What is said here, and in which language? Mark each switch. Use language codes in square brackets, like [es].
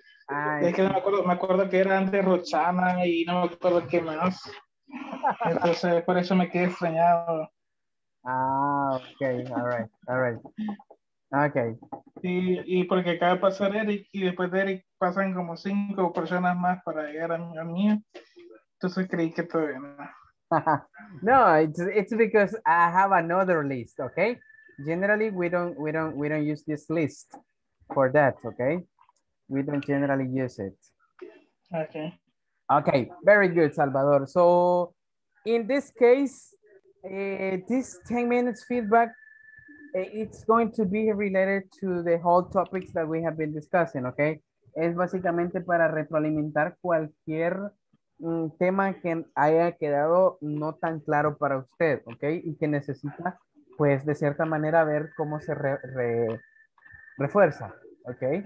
[es] Ay. Es que no me acuerdo que era antes Roxana y no me acuerdo qué más. Entonces, por eso me quedé extrañado. [en] Ah, ok, all right. Ok. [es] Y porque acaba de pasar Eric y después de Eric pasan como 5 personas más para llegar a mi amiga. Entonces creí que todavía no. [en] No, it's because I have another list, ok. Generally, we don't use this list for that, ok. We don't generally use it. Okay, very good, Salvador. So in this case, this 10 minutes feedback, it's going to be related to the whole topics that we have been discussing, okay? [es] Es básicamente para retroalimentar cualquier tema que haya quedado no tan claro para usted, okay? Y que necesita, pues, de cierta manera ver cómo se refuerza, okay?